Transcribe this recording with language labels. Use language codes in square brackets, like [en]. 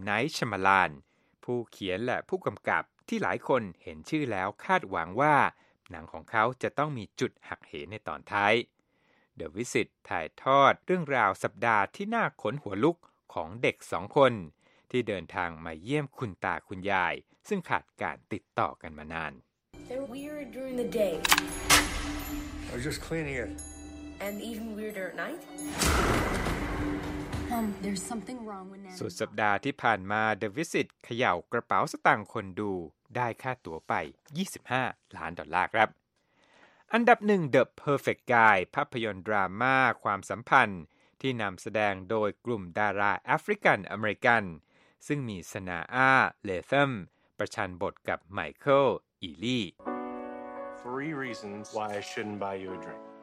[th] Night Shyamalan ผู้เขียนและผู้กำกับที่หลายคนเห็นชื่อแล้วคาดหวังว่าหนังของเขาจะต้องมีจุดหักเหในตอนท้าย The Visit ถ่ายทอดเรื่องราวสัปดาห์ที่น่าขนหัวลุกของเด็ก2คนที่เดินทางมาเยี่ยมคุณตาคุณยายซึ่งขาดการติดต่อกันมานาน [en] They're weird during the day. I was just cleaning it. And even weirder at night. There's something wrong with Nan. [th] สุดสัปดาห์ที่ผ่านมา The Visit เขย่ากระเป๋าสตางค์คนดูได้ค่าตั๋วไป25ล้านดอลลาร์ครับอันดับ1 The Perfect Guy ภาพยนตร์ดราม่าความสัมพันธ์ที่นำแสดงโดยกลุ่มดาราแอฟริกันอเมริกันซึ่งมีสนาอาเลเทมประชันบทกับไมเคิลอีลี่ [en] Three reasons why I shouldn't buy you a drink.